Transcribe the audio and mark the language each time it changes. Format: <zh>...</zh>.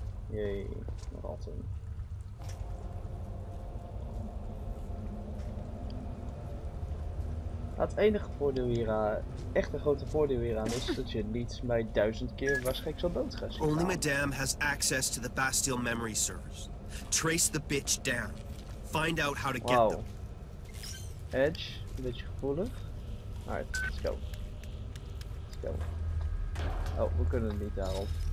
<en>Yay, rotten.</en> <nl>Het enige voordeel hier aan, echt een grote voordeel hier aan, is dat je niet bij 1000 keer waarschijnlijk zal dood gaan.</nl> <en>Only Madame has access to the Bastille memory servers. Trace the bitch down. Find out how to get them. Edge,</en> <nl>een beetje gevoelig.</nl> <en>Alright, let's go. Let's go.</en> <nl>Oh, we kunnen niet daarop.</nl>